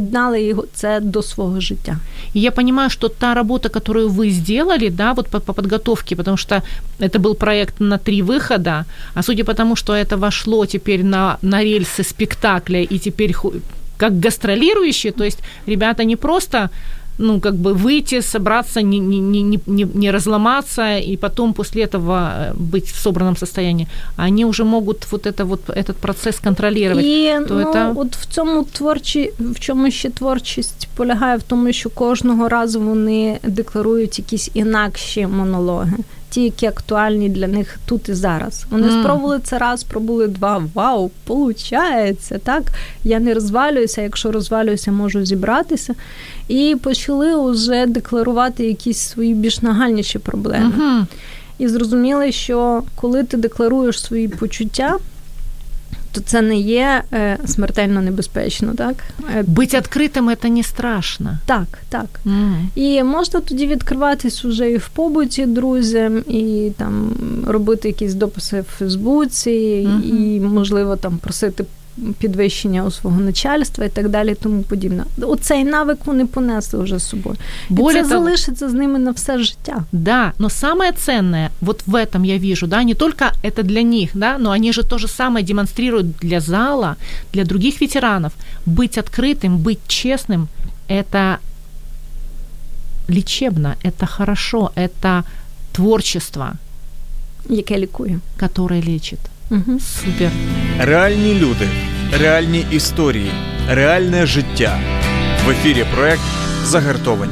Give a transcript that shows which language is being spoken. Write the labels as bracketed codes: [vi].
[uk] доєднали його це до свого життя. І я розумію, що та робота, яку ви зробили, да, вот по підготовці, тому що це був проєкт на три виходи, а [ru] судя по тому, [uk] що це вошло тепер на рельси спектакля і тепер як гастролюючі, тобто ребята не просто [ru] ну, как бы выйти, собраться, не разломаться, и потом после этого быть в собранном состоянии. Они уже могут вот, это, вот этот процесс контролировать. І, ну, это... [uk] от в цьому творчі, в чому ще творчість полягає в тому, що кожного разу вони декларують якісь інакші монологи. Ті, які актуальні для них тут і зараз. Вони спробували це раз, пробули два. Вау, виходить, так? Я не розвалююся, якщо розвалююся, можу зібратися. І почали вже декларувати якісь свої більш нагальніші проблеми. І зрозуміли, що коли ти декларуєш свої почуття, то це не є смертельно небезпечно, так? Бути відкритим – це не страшно. Так, так. І можна тоді відкриватись уже і в побуті друзям, і там робити якісь дописи в Фейсбуці, і, можливо, там просити підвищення у свого начальства і так далі, тому подібне. Оцей навик вони понесли вже з собою. Более і це того, залишиться з ними на все життя. [ru] Да, но самое ценное вот в этом я вижу, да, не только это для них, да, но они же то же самое демонстрируют для зала, для других ветеранов. Быть открытым, быть честным – это лечебно, это хорошо, это творчество. [uk] Яке лікує. [ru] Которое лечит. Супер. [uk] Реальні люди, реальні історії, реальне життя. В ефірі проект «Загартовані».